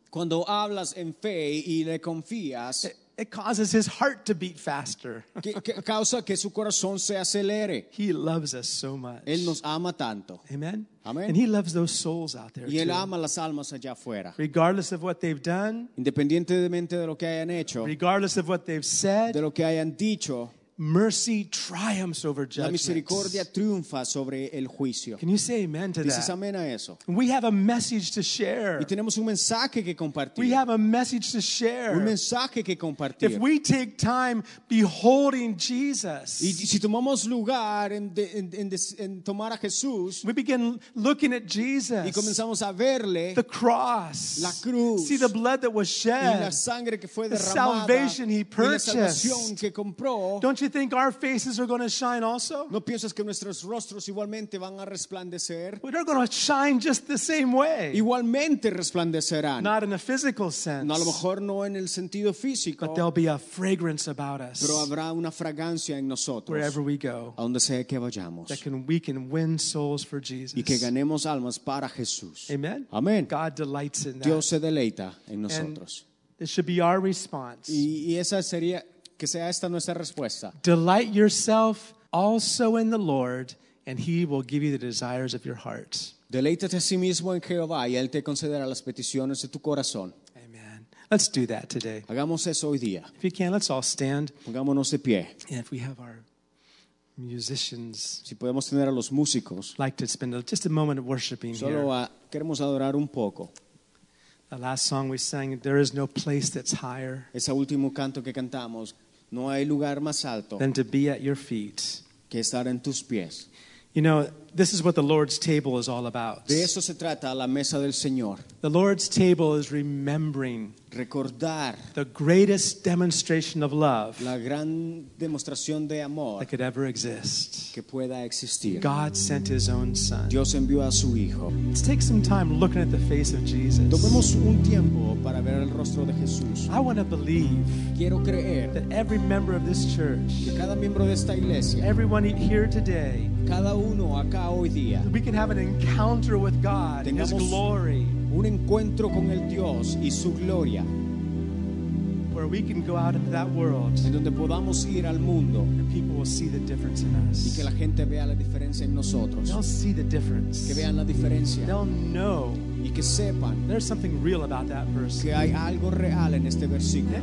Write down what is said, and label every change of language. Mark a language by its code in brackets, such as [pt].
[es] cuando hablas en fe y le confías, [en] it causes his heart to beat faster. [es] Causa que su corazón se acelere. [en] He loves us so much. [es] Él nos ama tanto. [en] Amen. [es] Amen. [en] And he loves those souls out there. [es] Y él [en] too. [es] Ama las almas allá afuera. [en] Regardless of what they've done, [es] independientemente de lo que hayan hecho, [en] regardless of what they've said, [es] de lo que hayan dicho, [en] mercy triumphs over judgment. [es] La misericordia triunfa sobre el juicio. [en] Can you say amen to [es] dices [en] that? [es] Amen a eso. [en] We have a message to share. [es] Y tenemos un mensaje que compartir. [en] We have a message to share. [es] Un mensaje que compartir. [en] If we take time beholding Jesus, [es] y si tomamos lugar en tomar a Jesús, [en] we begin looking at Jesus. [es] Y comenzamos a verle, [en] the cross. [es] La cruz. [en] See the blood that was shed. [es] Y la sangre que fue [en] the [es] derramada. [en] Salvation he purchased. [es] Y la salvación que compró. [en] Don't you think our faces are going to shine also? [es] ¿No piensas que nuestros rostros igualmente van a resplandecer? [en] We're going to shine just the same way. [es] Igualmente resplandecerán. [en] Not in a physical sense. [es] No, a lo mejor no en el sentido físico. [en] But there'll be a fragrance about us. [es] Pero habrá una fragancia en nosotros. [en] Wherever we go. [es] A donde sea que vayamos. [en] That we can win souls for Jesus. [es] Y que ganemos almas para Jesús. [en] Amen. [es] Amen. [en] God delights in that. [es] Dios se deleita en nosotros. [en] And it should be our response. [es] Y esa sería que sea esta nuestra respuesta. [en] Delight yourself also in the Lord, and he will give you the desires of your heart. [es] Deleítate a sí mismo en Jehová, y él te concederá las peticiones de tu corazón. [en] Amen. Let's do that today. [es] Hagamos eso hoy día. [en] If you can, let's all stand. [es] Pongámonos de pie. [en] And if we have our musicians, [es] si podemos tener a los músicos, [en] like to spend just a moment of worshiping [es] solo [en] here. [es] Queremos adorar un poco. [en] The last song we sang, there is no place that's higher. [es] Ese último canto que cantamos, no hay lugar más alto. [en] Than to be at your feet. [es] Que estar en tus pies. [en] You know, this is what the Lord's table is all about. [es] De eso se trata la mesa del Señor. [en] The Lord's table is remembering. [es] Recordar. [en] The greatest demonstration of love. [es] La gran demostración de amor. [en] That could ever exist. [es] Que pueda existir. [en] God sent his own son. [es] Dios envió a su hijo. [en] Let's take some time looking at the face of Jesus. [es] Tomemos un tiempo para ver el rostro de Jesús. [en] I want to believe. [es] Quiero creer. [en] That every member of this church. [es] Que cada miembro de esta iglesia. [en] Everyone here today. [es] Cada uno acá hoy día. [en] We can have an encounter with God. His glory. [es] Un encuentro con el Dios y su gloria. [en] Where we can go out into that world. [es] En donde podamos ir al mundo. [en] And people will see the difference in us. [es] Y que la gente vea la diferencia en nosotros. [en] They'll see the difference. [es] Que vean la diferencia. [en] They'll know. [es] Y que sepan. [en] There's something real about that verse. [es] Que hay algo real en este versículo.